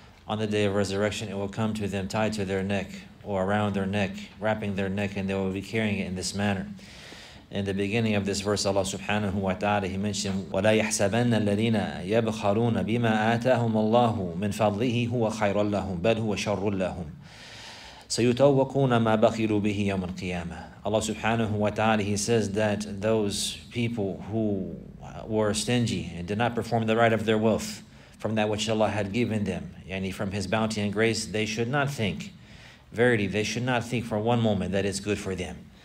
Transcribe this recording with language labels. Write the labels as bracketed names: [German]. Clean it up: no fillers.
[English] On the day of resurrection, it will come to them tied to their neck or around their neck, wrapping their neck, and they will be carrying it in this manner. In the beginning of this verse, Allah subhanahu wa ta'ala, he mentioned, [Arabic] وَلَا يَحْسَبَنَّ الَّذِينَ يَبْخَرُونَ بِمَا آتَاهُمَ اللَّهُ مِنْ فَضْلِهِ هُوَ خَيْرٌ لَهُمْ بَلْ هُوَ شَرٌ لَهُمْ سَيُتَوَّقُونَ مَا بَخِلُوا بِهِ يَوْمَ الْقِيَامَةِ. [English] Allah subhanahu wa ta'ala, he says that those people who were stingy and did not perform the right of their wealth from that which Allah had given them, yani from His bounty and grace, they should not think, verily, they should not think for one moment that it's good for them.